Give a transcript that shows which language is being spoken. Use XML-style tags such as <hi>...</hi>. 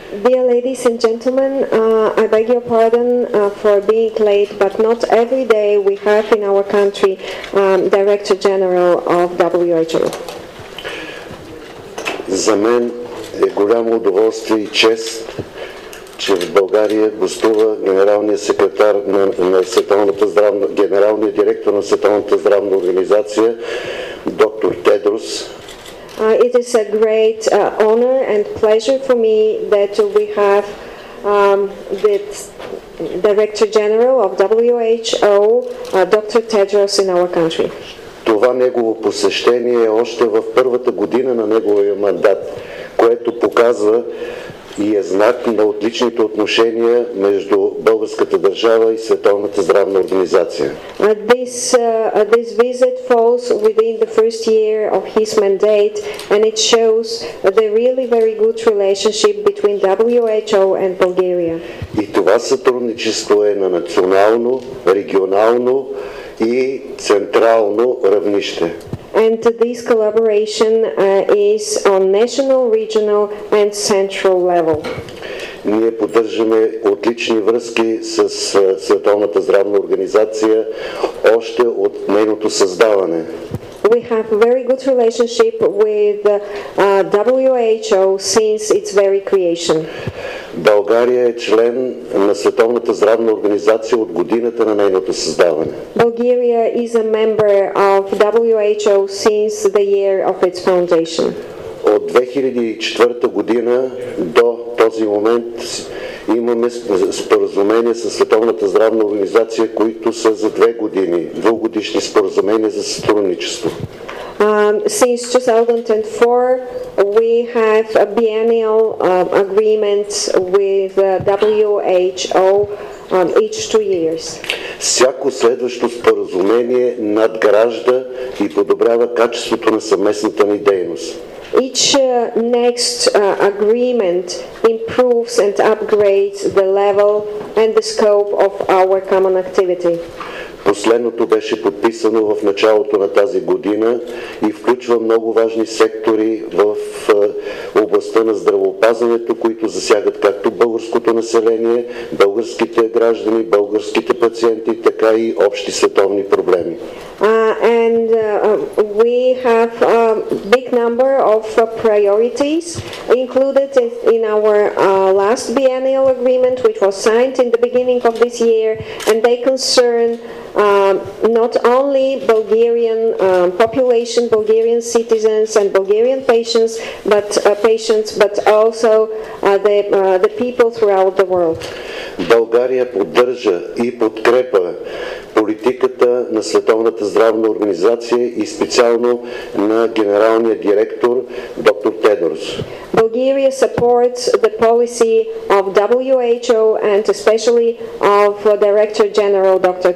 <en>Dear ladies and gentlemen, I beg your pardon for being late, but not every day we have in our country Director General of WHO.</en> <bg>За мен е голямо удоволствие и чест, че в България гостува генералният директор на Световната здравна организация, доктор Тедрос.</bg> <en>It is a great honor and pleasure for me that we have the Director General of WHO, Dr. Tedros, in our country.</en> <bg>Това негово посещение е още в първата година на неговия мандат, което показва и е знак на отличните отношения между българската държава и Световната здравна организация.</bg> <en>This visit falls within the first year of his mandate and it shows the really very good relationship between WHO and Bulgaria.</en> <bg>И това сътрудничество е на национално, регионално и централно равнище.</bg> <en>And this collaboration is on national, regional and central level.</en> <bg>Ние поддържаме отлични връзки с Световната здравна организация още от нейното създаване.</bg> <en>We have very good relationship with WHO since its very creation.</en> <bg>България е член на Световната здравна организация от годината на нейното създаване.</bg> <en>Bulgaria is a member of WHO since the year of its foundation.</en> <bg>От 2004 година до този момент имаме споразумения с Световната здравна организация, които са за 2 години, 2-годишни споразумения за сътрудничество.</bg> <en>Since 2004 we have a biennial agreement with WHO each 2 years.</en> <bg>Всяко следващо споразумение надгражда и подобрява качеството на съвместната ни дейност.</bg> <en>Each next agreement improves and upgrades the level and the scope of our common activity.</en> <bg>Последното беше подписано в началото на тази година и включва много важни сектори в областта на здравеопазването, които засягат както българското население, българските граждани, българските пациенти, така и общи световни проблеми.</bg> <en>We have a big number of priorities included in our last biennial agreement, which was signed in the beginning of this year, and they concern not only Bulgarian population, Bulgarian citizens and Bulgarian patients, but also the people throughout the world.</en> <bg>България поддържа и подкрепа политиката на Световната здравна организация и специално на генералния директор доктор Тедрос.</bg> <en>Bulgaria supports the policy of WHO and especially of Director General Dr.</en>